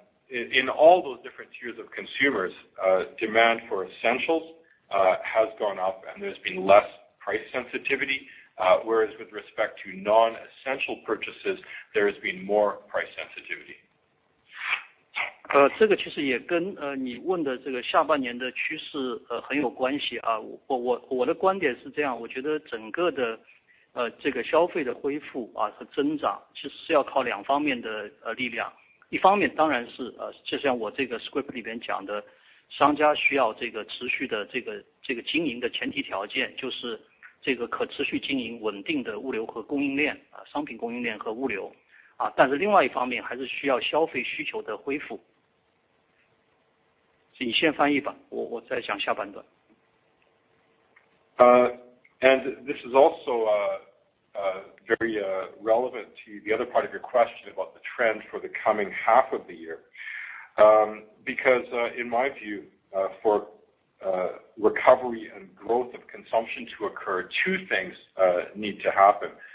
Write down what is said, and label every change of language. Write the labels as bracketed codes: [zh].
[en] In all those different tiers of consumers, demand for essentials has gone up and there's been less price sensitivity, whereas with respect to non-essential purchases, there has been more price sensitivity. [zh] 这个其实也跟你问的这个下半年的趋势很有关系啊。我的观点是这样，我觉得整个的这个消费的恢复啊和增长其实是要靠两方面的力量。一方面当然是就像我这个 script 里边讲的，商家需要这个持续的这个经营的前提条件，就是这个可持续经营、稳定的物流和供应链啊，商品供应链和物流啊。但是另外一方面还是需要消费需求的恢复。你先翻译吧，我再讲下半段。 [en] And this is also very relevant to the other part of your question about the trend for the coming half of the year. Because in my view, for recovery and growth of consumption to occur, two things need to happen.